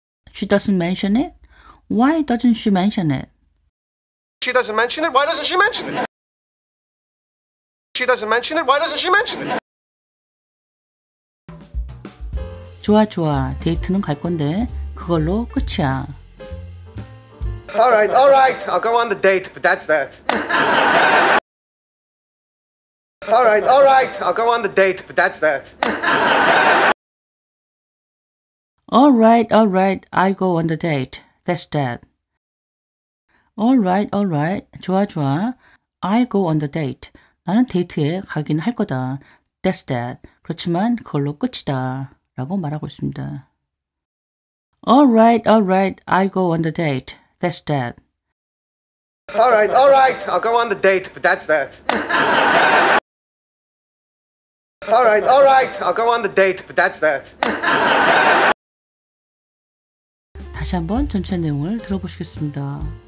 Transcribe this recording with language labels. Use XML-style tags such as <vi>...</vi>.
<en>She doesn't mention it. Why doesn't she mention it? She doesn't mention it. Why doesn't she mention it? She doesn't mention it. Why doesn't she mention it?</en> <ko>좋아, 좋아. 데이트는 갈 건데 그걸로 끝이야.</ko> <en>All right, all right. I'll go on the date, but that's that. All right, all right. I'll go on the date, but that's that. All right, all right. I'll go on the date. That's that. All right, all right.</en> <ko>좋아, 좋아.</ko> <en>I'll go on the date.</en> <ko>나는 데이트에 가긴 할 거다.</ko> <en>That's that.</en> <ko>그렇지만 그걸로 끝이다. 라고 말하고 있습니다.</ko> <en>All right, all right. I'll go on the date. That's that. All right, all right. I'll go on the date, but that's that. All right, all right. I'll go on the date, but that's that.</en> <ko>다시 한번 전체 내용을 들어보시겠습니다.</ko>